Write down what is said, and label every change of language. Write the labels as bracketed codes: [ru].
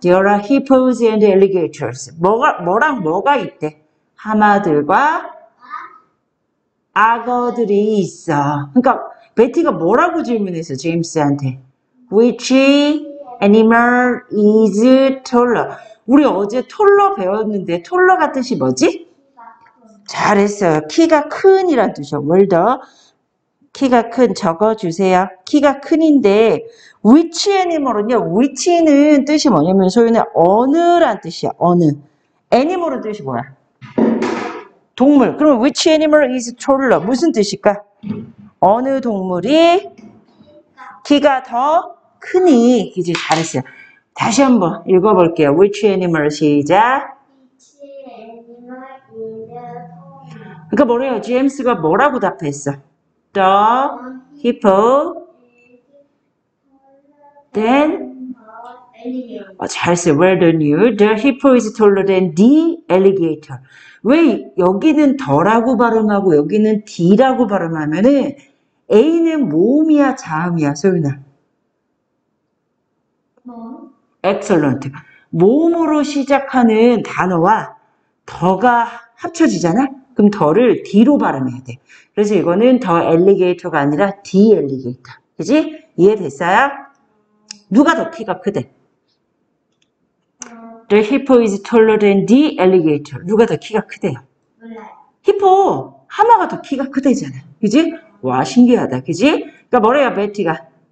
[en] There are hippos and alligators. [ko] 뭐랑 뭐가 있대? 하마들과 악어들이 있어. 그러니까 베티가 뭐라고 질문했어, 제임스한테? [en] Which animal is taller? [ko] 우리 어제 톨러 배웠는데 톨러 같은 시 뭐지? 잘했어요. 키가 큰이란 뜻이야. 월더. 키가 큰 적어주세요. 키가 큰인데 which animal은요? which는 뜻이 뭐냐면 소윤의 어느란 뜻이야. 어느. animal은 뜻이 뭐야? 동물. 그러면 [en] which animal is taller? [ko] 무슨 뜻일까? 어느 동물이 키가 더 크니? 이제 잘했어요. 다시 한번 읽어볼게요. [en] Which animal? [ko] 시작. [en] Which animal is taller? [ko] 그러니까 뭐래요? 제임스가 뭐라고 답했어? [en] The hippo then [ko] 잘했어요. [en] Well done you. The hippo is taller than the alligator. [ko] 왜 여기는 더라고 발음하고 여기는 D라고 발음하면은 A는 모음이야 자음이야 소윤아? 엑셀런트. 모음으로 시작하는 단어와 더가 합쳐지잖아? 그럼 더를 D로 발음해야 돼. 그래서 이거는 더 엘리게이터가 아니라 디 엘리게이터. 그지? 이해됐어요? 누가 더 키가 크대? [en] The hippo is taller than the alligator. [ko] 누가 더 키가 크대요? 몰라요. 히포, 하마가 더 키가 크대잖아. 그지? 와, 신기하다. 그지? 그러니까 뭐래요, 베티가?